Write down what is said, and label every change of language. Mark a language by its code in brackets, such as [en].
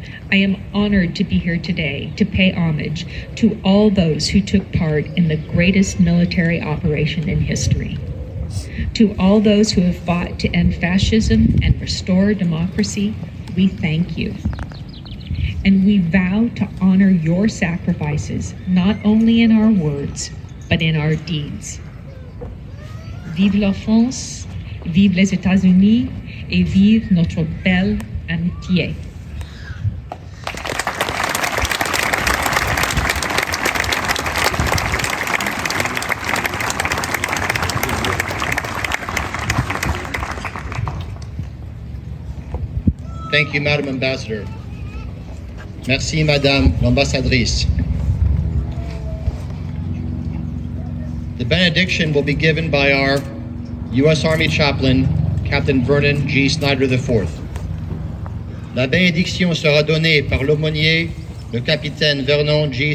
[en] I am honored to be here today to pay homage to all those who took part in the greatest military operation in history, to all those who have fought to end fascism and restore democracy. We thank you. And we vow to honor your sacrifices, not only in our words, but in our deeds. [fr] Vive la France, vive les États-Unis, et vive notre belle amitié. [en] Thank you, Madam Ambassador. [fr] Merci, Madame l'Ambassadrice. [en] The benediction will be given by our U.S. Army Chaplain, Captain Vernon G. Snyder IV. [fr] La bénédiction sera donnée par l'aumônier, le Capitaine Vernon G.